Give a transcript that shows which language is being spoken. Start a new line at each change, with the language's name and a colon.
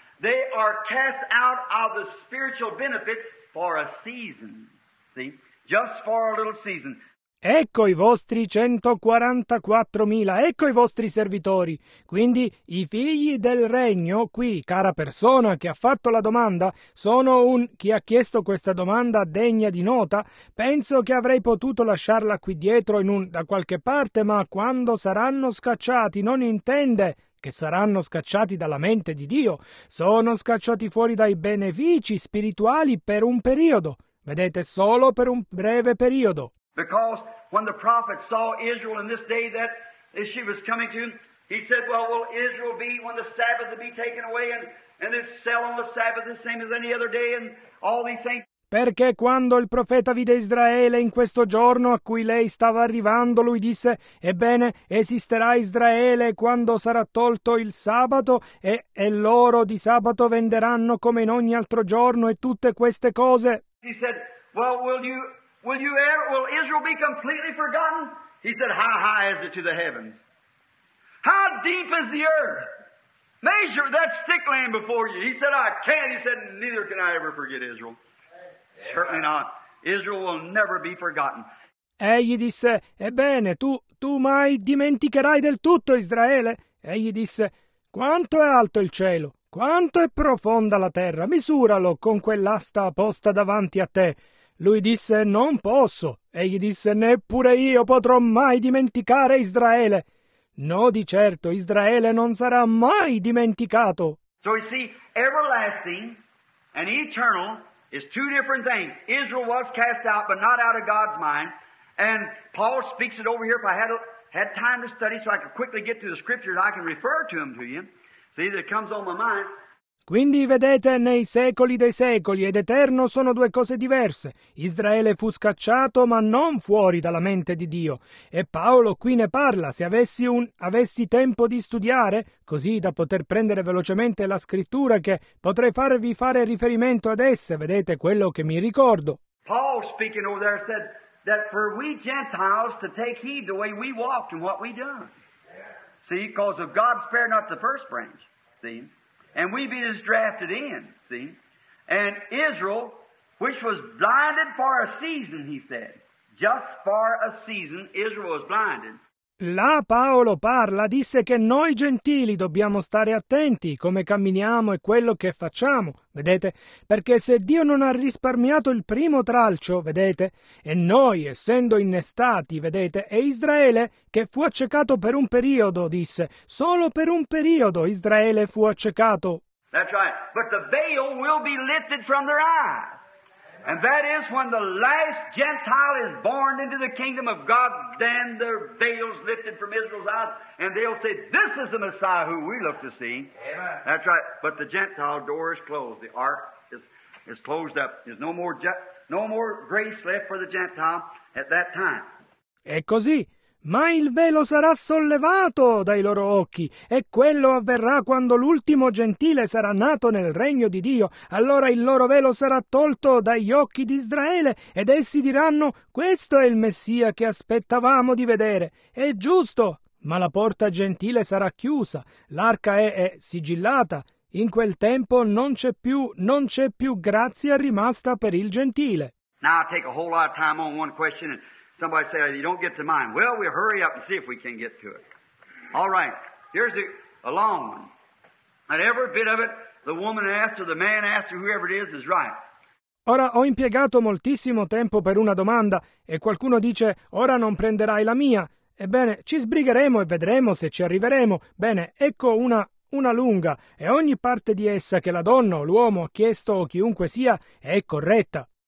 English: They are cast out of the spiritual benefits for a season. See? Just for a little season.
Italian: Ecco i vostri 144,000, ecco i vostri servitori. Quindi i figli del regno, qui, cara persona che ha fatto la domanda, sono un... chi ha chiesto questa domanda degna di nota? Penso che avrei potuto lasciarla qui dietro in un... da qualche parte, ma quando saranno scacciati non intende che saranno scacciati dalla mente di Dio. Sono scacciati fuori dai benefici spirituali per un periodo. Vedete, solo per un breve periodo.
English: Because when the prophet saw Israel in this day that she was coming to, he said, well, will Israel be when the Sabbath will be taken away and it's sell on the Sabbath the same as any other day and all these things?
Italian: Perché quando il profeta vide Israele in questo giorno a cui lei stava arrivando, lui disse, ebbene, esisterà Israele quando sarà tolto il sabato e l'oro di sabato venderanno come in ogni altro giorno e tutte queste cose?
English: He said, well, will Israel be completely forgotten? He said, how high is it to the heavens? How deep is the earth? Measure that stick laying before you. He said, I can't. He said, neither can I ever forget Israel. Yeah. Certainly not. Israel will never be forgotten.
Italian: Egli disse, ebbene, tu mai dimenticherai del tutto Israele? Egli disse, quanto è alto il cielo? Quanto è profonda la terra? Misuralo con quell'asta posta davanti a te. Lui disse, non posso. Egli disse, neppure io potrò mai dimenticare Israele. No, di certo, Israele non sarà mai dimenticato.
English: So you see, everlasting and eternal is two different things. Israel was cast out, but not out of God's mind. And Paul speaks it over here. If I had time to study so I could quickly get to the scriptures, I can refer to them to you. See, that comes on my mind.
Italian: Quindi vedete, nei secoli dei secoli ed eterno sono due cose diverse. Israele fu scacciato, ma non fuori dalla mente di Dio. E Paolo qui ne parla. Se avessi tempo di studiare, così da poter prendere velocemente la scrittura, che potrei farvi fare riferimento ad esse, vedete quello che mi ricordo.
English: Paul, speaking over there, said that for we Gentiles to take heed the way we walk and what we done. See, because of God spared not the first branch. See? And we be just drafted in, see? And Israel, which was blinded for a season, he said. Just for a season, Israel was blinded.
Italian: Là Paolo parla, disse che noi gentili dobbiamo stare attenti come camminiamo e quello che facciamo, vedete? Perché se Dio non ha risparmiato il primo tralcio, vedete? E noi, essendo innestati, vedete? E Israele, che fu accecato per un periodo, disse, solo per un periodo Israele fu accecato.
English: That's right, but the veil will be lifted from their eyes. And that is when the last Gentile is born into the kingdom of God, then the veil's lifted from Israel's eyes, and they'll say, this is the Messiah who we look to see. Amen. That's right. But the Gentile door is closed. The ark is closed up. There's no more grace left for the Gentile at that time.
Italian: È così. Ma il velo sarà sollevato dai loro occhi, e quello avverrà quando l'ultimo gentile sarà nato nel regno di Dio. Allora il loro velo sarà tolto dagli occhi di Israele, ed essi diranno, questo è il Messia che aspettavamo di vedere. È giusto, ma la porta gentile sarà chiusa, l'arca è sigillata. In quel tempo non c'è più grazia rimasta per il gentile.
English: Now I take a whole lot of time on one question. Somebody say, you don't get to mine. Well, we'll hurry up and see if we can get to it. All right, here's a long one. And every bit of it, the woman asked or the man asked or whoever it is right.
Italian: Ora, ho impiegato moltissimo tempo per una domanda e qualcuno dice, ora non prenderai la mia. Ebbene, ci sbrigheremo e vedremo se ci arriveremo. Bene, ecco una lunga e ogni parte di essa che la donna o l'uomo ha chiesto o chiunque sia è corretta.